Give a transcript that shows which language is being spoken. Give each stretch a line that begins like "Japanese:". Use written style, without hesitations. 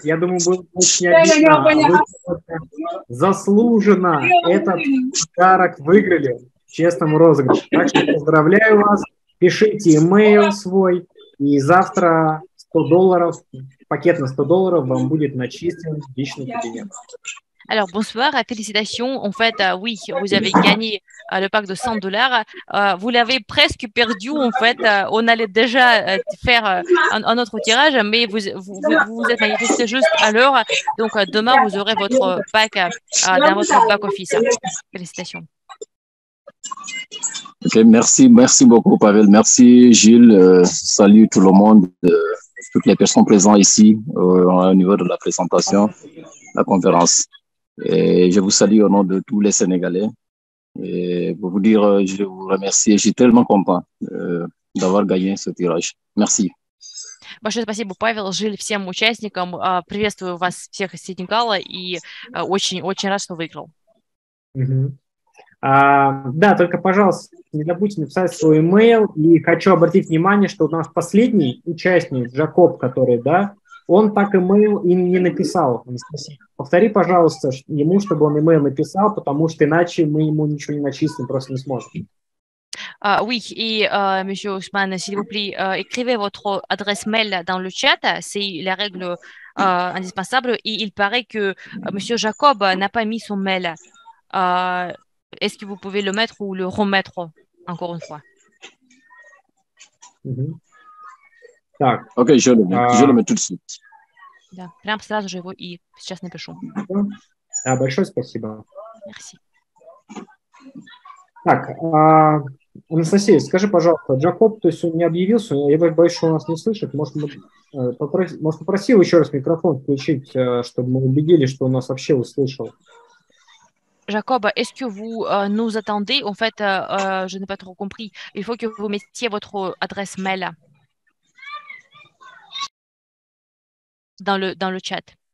Russian: Я думаю, было бы очень обидно. Вы заслуженно этот подарок выиграли в честном розыгрыше. Так что поздравляю вас. Пишите имейл свой, и завтра $100. Пакет на $100 вам будет начислен в личный кабинет.
French: Alors, bonsoir, félicitations. En fait, oui, vous avez gagné le pack de 100 dollars. Vous l'avez presque perdu, en fait. On allait déjà faire un autre tirage, mais vous êtes manifesté juste à l'heure. Donc, demain, vous aurez votre pack dans votre back office. Félicitations. Ok, merci beaucoup, Pavel. Merci, Gilles. Salut tout le monde, toutes les personnes présentes ici au niveau de la présentation, la conférence. Et je vous salue au nom de tous les Sénégalais. Et pour vous dire, je vous remercie. Je suis tellement content d'avoir gagné ce tirage. Merci.
Russian: Большое спасибо, Павел, Жиль, всем участникам. Приветствую вас всех из Сенегала и очень-очень рад, что выиграл. Да, только, пожалуйста, не забудьте написать свой email. И хочу обратить внимание, что у нас последний участник, Джакоб, который, да, он так email им не написал. Повтори, пожалуйста, ему, чтобы он email написал, потому что иначе мы ему ничего не начислим, просто не сможем.
French: Oui, et monsieur Ousmane, s'il vous plaît, écrivez votre adresse mail dans le chat, c'est la règle indispensable, et il paraît que monsieur Jacob n'a pas mis son mail. Est-ce que vous pouvez le mettre ou le remettre encore une fois? Ok, je le mets tout de suite.
Russian: Да, прямо сразу же его и сейчас напишу. Да, большое спасибо.
French: Merci.
Russian: Так, Анастасия, скажи, пожалуйста, Джакоб, то есть он не объявился, я боюсь, что он нас не слышит. Может, попросил еще раз микрофон включить, чтобы мы убедились, что он нас вообще услышал.
French: Jacob, est-ce que vous nous attendez? En fait, je n'ai pas trop compris. Il faut que vous mettiez votre adresse mail dans le chat.